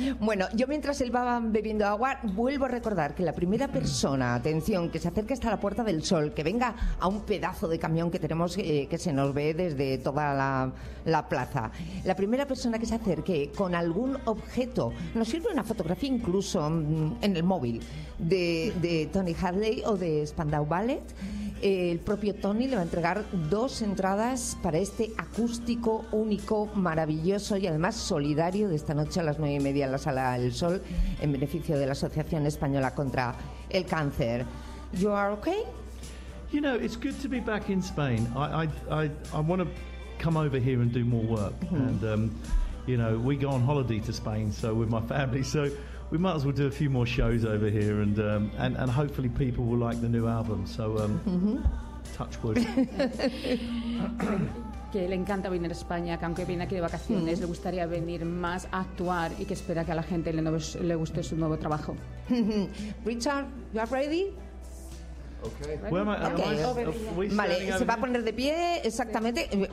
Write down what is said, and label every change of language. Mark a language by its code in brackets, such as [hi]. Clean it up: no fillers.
[es] Bueno, yo mientras él va bebiendo agua, vuelvo a recordar que la primera persona, atención, que se acerque hasta la Puerta del Sol, que venga a un pedazo de camión que tenemos, que se nos ve desde toda la plaza, la primera persona que se acerque con algún objeto, nos sirve una fotografía incluso en el móvil de Tony Hadley o de Spandau Ballet, el propio Tony le va a entregar dos entradas para este acústico único, maravilloso y además solidario de esta noche a las 9:30 en la Sala del Sol en beneficio de la Asociación Española contra el Cáncer. [en] You are okay? You know, it's good to be back in Spain. I want to come over here and do more work. And you know, we go on holiday to Spain, so with my family, so we might as well do a few more shows over here, and hopefully people will like the new album. So, touch wood. [es] Que le encanta venir a España, que aunque viene aquí de vacaciones, le gustaría venir más a actuar y que espera que a la gente le guste su nuevo trabajo. [en] Richard, you are ready? Okay. Where am I? [es] Vale, se va a poner de pie, exactamente.